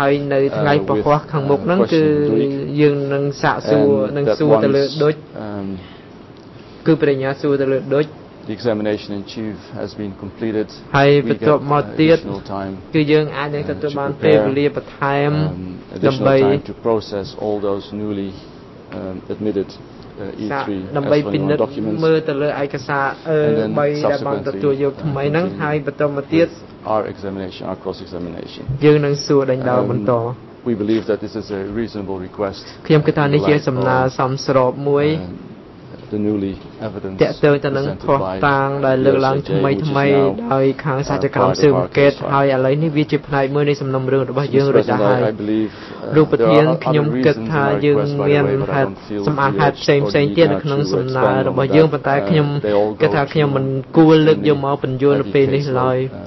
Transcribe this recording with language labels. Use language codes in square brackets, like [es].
[km] ហើយនៅថ្ងៃពហុខាងមុខហ្នឹងគឺយើងនឹងសាកសួរនឹងសួរទៅលើដូចគឺព្រះអញ្ញាសួរទៅលើដូច [en] The examination in chief has been completed. [km] ហើយបន្ទាប់មកទៀតគឺយើងអាចនឹងទទួលបានពេលវេលាបន្ថែមដើម្បី [en] to process all those newly admitted E3 documents. [km] មើលទៅលើឯកសារ3ដែលបានទទួលយកថ្មីហ្នឹងហើយបន្ទាប់មកទៀត [en] our examination, our cross examination. [km] យើងនឹងសួរដេញដោលបន្ត [en] We believe that this is a reasonable request. [km] ខ្ញុំគិតថានេះជាសំណើសមស្របមួយ [en] The newly evidence that [km] ទៅនឹងភស្តុតាងដែលលើកឡើងថ្មីថ្មីដោយខាងសាស្ត្រាចារ្យស៊ើបអង្កេតហើយឥឡូវនេះវាជាផ្នែកមួយនៃសំណុំរឿងរបស់យើងរួចហើយរូបធានខ្ញុំគិតថាយើងមានហេតុសំអាងហេតុផ្សេងផ្សេងទៀតនៅក្នុងសំណើរបស់យើងប៉ុន្តែខ្ញុំគិតថាខ្ញុំមិនគួរលើកយកមកពន្យល់ពេលនេះឡើយ